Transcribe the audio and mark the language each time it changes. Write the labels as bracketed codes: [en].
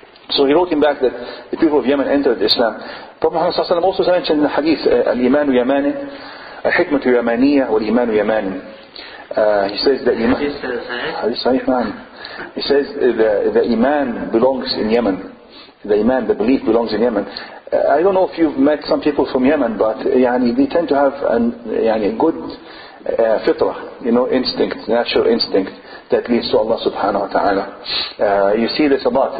[en] So he wrote him back that the people of Yemen entered Islam. Prophet Muhammad صلى الله عليه وسلم also mentioned in the hadith, [ar] الإيمان يمان الحكمة يمانية والإيمان يمان. [en] He says that Iman, hadith sahih man. He says the Iman belongs in Yemen. The Iman, the belief belongs in Yemen. I don't know if you've met some people from Yemen, but يعني, they tend to have a good fitrah, you know, instinct, natural instinct that leads to Allah subhanahu wa ta'ala. You see this a lot.